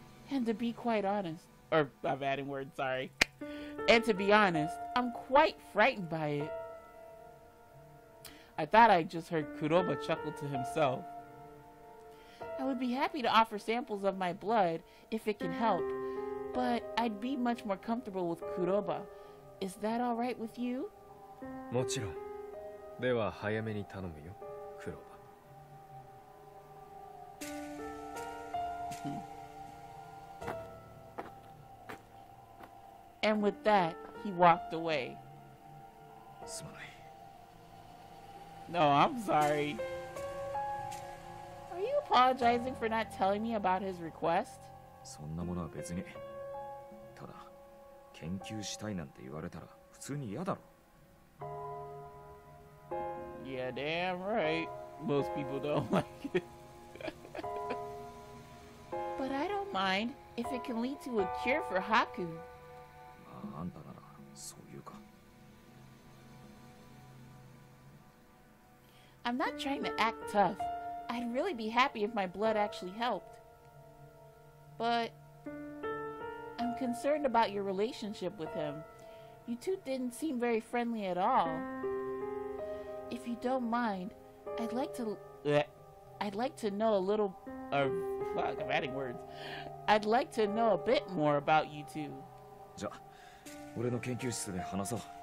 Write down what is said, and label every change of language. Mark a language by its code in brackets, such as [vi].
[en] And to be quite honest, or I'm adding words, sorry. And to be honest, I'm quite frightened by it. I thought I just heard Kuroba chuckle to himself. I would be happy to offer samples of my blood if it can help, but I'd be much more comfortable with Kuroba. Is that all right with you? [ja] もちろん。では早めに頼むよ、クロバ。 [en] And with that, he walked away. [ja] すまない。 [en] No, I'm sorry. Are you apologizing for not telling me about his request? [ja] そんなものは別に。ただ、研究したいなんて言われたら普通に嫌だろ。 [en] Yeah, damn right. Most people don't like it. But I don't mind if it can lead to a cure for Haku. [ja] あんたならそう言うか。 [en] I'm not trying to act tough. I'd really be happy if my blood actually helped. But I'm concerned about your relationship with him. You two didn't seem very friendly at all. If you don't mind, I'd like to know a bit more about you two. [ja] じゃあ、俺の研究室で話そう。